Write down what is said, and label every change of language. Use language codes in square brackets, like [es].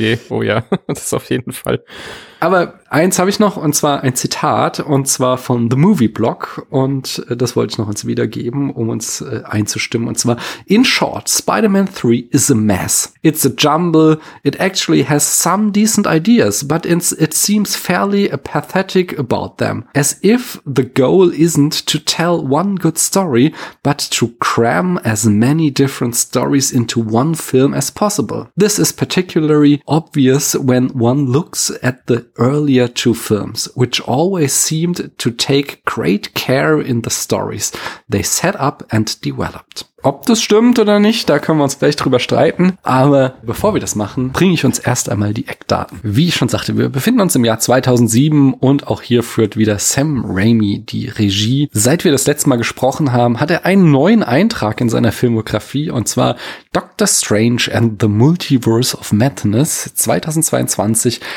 [de] Oh ja, das ist auf jeden Fall. Aber eins habe ich noch, und zwar ein Zitat, und zwar von The Movie Blog, und das wollte ich noch uns wiedergeben, um uns einzustimmen, und zwar: [en] In short, Spider-Man 3 is a mess. It's a jumble. It actually has some decent ideas, but it seems fairly apathetic about them. As if the goal isn't to tell one good story, but to cram as many different stories into one film as possible. This is particularly obvious when one looks at the earlier 2 films, which always seemed to take great care in the stories they set up and developed. [de] Ob das stimmt oder nicht, da können wir uns gleich drüber streiten. Aber bevor wir das machen, bringe ich uns erst einmal die Eckdaten. Wie ich schon sagte, wir befinden uns im Jahr 2007 und auch hier führt wieder Sam Raimi die Regie. Seit wir das letzte Mal gesprochen haben, hat er einen neuen Eintrag in seiner Filmografie, und zwar Doctor Strange and the Multiverse of Madness 2022.